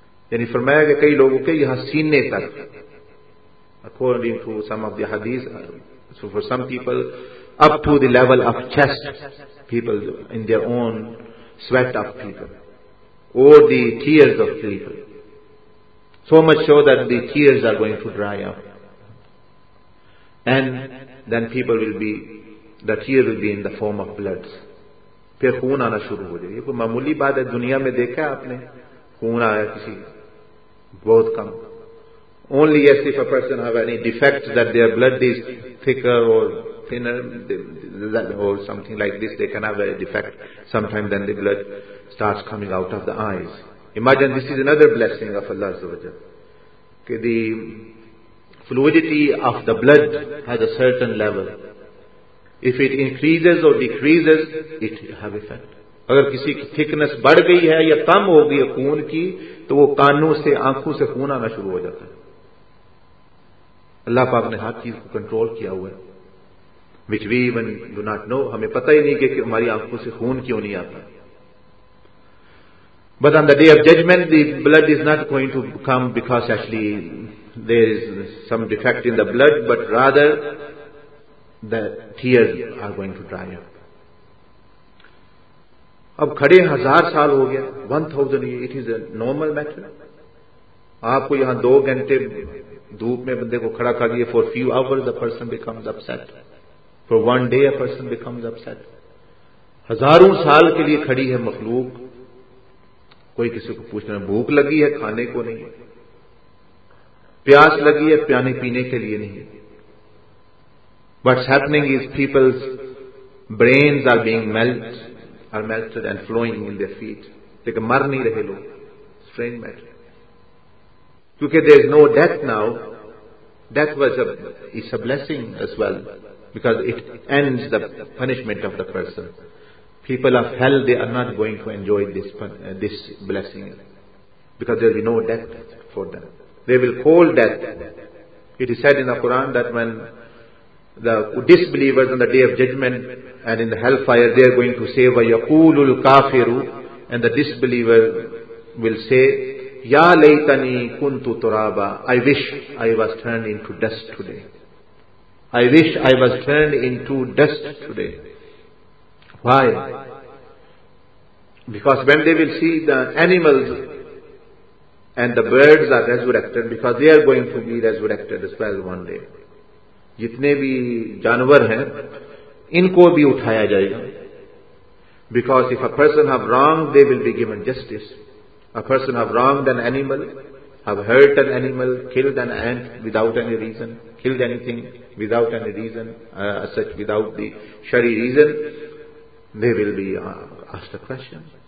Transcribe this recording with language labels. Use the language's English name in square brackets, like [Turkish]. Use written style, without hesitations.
[Urdu] Yani farmaya ke kai logo ke yahan seene tak, [English] according to some of the hadith, so for some people up to the level of chest, people in their own sweat of people or the tears of people, so much so that the tears are going to dry up, and then people will be, the tears will be in the form of blood. [Urdu] پھر خون آنا شروع ہو جائے. یہ کوئی معمولی بات ہے, دنیا میں دیکھا ہے آپ نے خون آیا کسی, بہت کم. [English] Only yes, if a person have any defect that their blood is thicker or thinner or something like this, they can have a defect. Sometimes then the blood starts coming out of the eyes. Imagine, this is another blessing of Allah Azza wa Jal, کہ the fluidity of the blood has a certain level. If it increases or decreases, it will have effect. [Urdu] اگر کسی کی thickness بڑھ گئی ہے یا کم ہو گئی ہے خون کی, تو وہ کانوں سے آنکھوں سے خون آنا شروع ہو جاتا ہے. اللہ پاک نے ہر چیز کو کنٹرول کیا ہوا ہے, [English] which we even do not know. [Urdu] ہمیں پتہ ہی نہیں کہ ہماری آنکھوں سے خون کیوں نہیں آتا. [English] But on the day of judgment, the blood is not going to come because actually there is some defect in the blood, but rather the tears are going to dry up. [Urdu] اب کھڑے ہزار سال ہو گیا, [English] 1,000 years, it is a normal matter. [Urdu] آپ کو یہاں 2 hours دھوپ میں بندے کو کھڑا کر دیے, [English] for few hours the person becomes upset. For one day a person becomes upset. [Urdu] ہزاروں سال کے لیے کھڑی ہے مخلوق, کوئی کسی کو پوچھنا, بھوک لگی ہے کھانے کو نہیں, پیاس لگی ہے پیانے پینے کے لیے نہیں. [English] What's happening is people's brains are being melted and flowing in their feet. [Urdu] لیکن مر نہیں رہے لوگ, [English] strange matter. کیونکہ there is no death now. Death is a blessing as well, because it ends the punishment of the person. People of hell, they are not going to enjoy this blessing, because there will be no death for them. They will call death. It is said in the Quran that when the disbelievers on the day of judgment and in the hellfire, they are going to say, [Arabic] وَيَقُولُ الْكَافِرُ, [English] and the disbeliever will say, [Arabic] يَا لَيْتَنِي كُنْتُ تُرَابًا, [English] I wish I was turned into dust today. I wish I was turned into dust today. Why? Because when they will see the animals and the birds are resurrected, because they are going to be resurrected as well one day. [Urdu] جتنے بھی جانور ہیں ان کو بھی اٹھایا جائے گا. [English] Because if a person have wronged, they will be given justice. A person have wronged an animal, have hurt an animal, killed an ant without any reason, killed anything without any reason, such without the shari reason, they will be asked a question.